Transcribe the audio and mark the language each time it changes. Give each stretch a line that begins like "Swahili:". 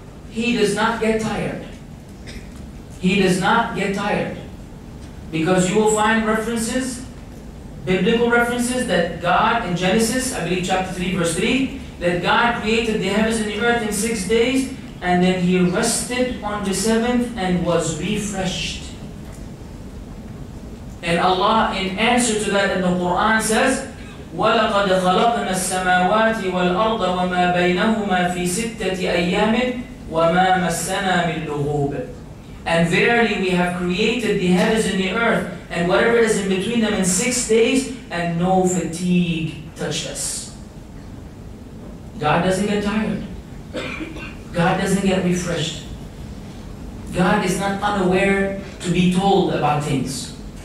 English: He does not get tired. He does not get tired, because you will find references, biblical references, that God in Genesis, I believe chapter 3 verse 3, that God created the heavens and the earth in 6 days, and then He rested on the seventh and was refreshed. And Allah, in answer to that in the Quran, says,
Arabic: وَلَقَدْ خَلَقْنَا السَّمَاوَاتِ وَالْأَرْضَ وَمَا بَيْنَهُمَا فِي سِتَّةِ أَيَّامٍ وَمَا مَسَّنَا مِنْ لُغُوبٍ.
English: And verily we have created the heavens and the earth and whatever is in between them in 6 days, and no fatigue touched us. God doesn't get tired. God doesn't get refreshed. God is not unaware to be told about things.